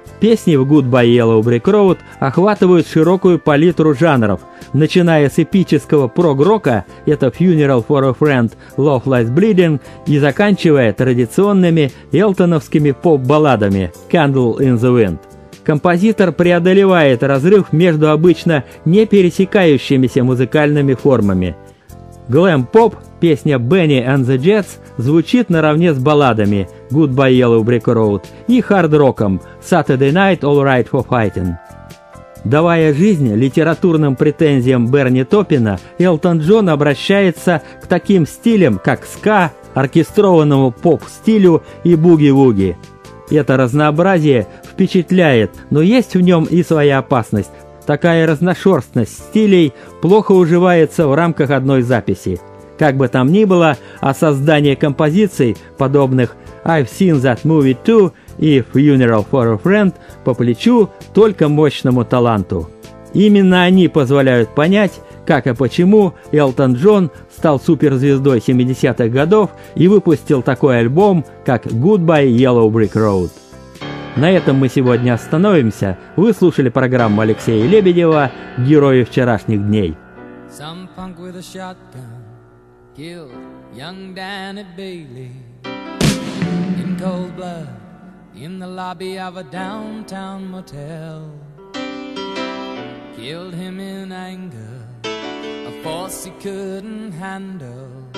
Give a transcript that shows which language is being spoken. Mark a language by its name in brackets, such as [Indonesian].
[Russian] Песни в «Goodbye Yellow Brick Road» охватывают широкую палитру жанров, начиная с эпического прог-рока, это «Funeral for a Friend», «Love Lies Bleeding», и заканчивая традиционными элтоновскими поп-балладами «Candle in the Wind». Композитор преодолевает разрыв между обычно не пересекающимися музыкальными формами. Глэм-поп, песня «Benny and the Jets», звучит наравне с балладами «Goodbye Yellow Brick Road» и хард-роком «Saturday Night All Right for Fighting». Давая жизнь литературным претензиям Берни Топпина, Элтон Джон обращается к таким стилям, как ска, оркестрованному поп-стилю и буги-вуги. Это разнообразие впечатляет, но есть в нем и своя опасность. Такая разношерстность стилей плохо уживается в рамках одной записи. Как бы там ни было, а создание композиций, подобных «I've seen that movie too» и «Funeral for a Friend» по плечу только мощному таланту. Именно они позволяют понять, как и почему Элтон Джон стал суперзвездой 70-х годов и выпустил такой альбом, как «Goodbye Yellow Brick Road». На этом мы сегодня остановимся. Вы слушали программу Алексея Лебедева «Герои вчерашних дней». [English] Some punk with a shotgun killed young Danny Bailey in cold blood in the lobby of a downtown motel. Killed him in anger, a force he couldn't handle.